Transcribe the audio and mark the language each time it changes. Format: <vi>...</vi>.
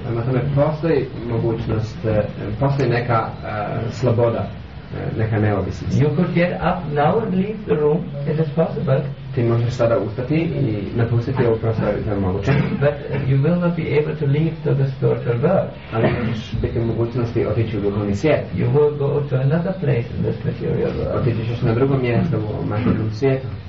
<hr>Prema tome postoji mogućnost, postoji neka sloboda, neka neovisnost.</hr> <en>You could get up now and leave the room, it is possible.</en> <hr>Ti možeš sada ustati i napustiti ovu prostor, to je moguće.</hr> <en>But you will not be able to leave to the spiritual world.</en> <hr>Ali možeš biti u mogućnosti otići u duhovni svijet.</hr> <en>You will go to another place in this material world.</en> <hr>Otići ćeš na drugo mjesto u materijalnom svijetu.</hr>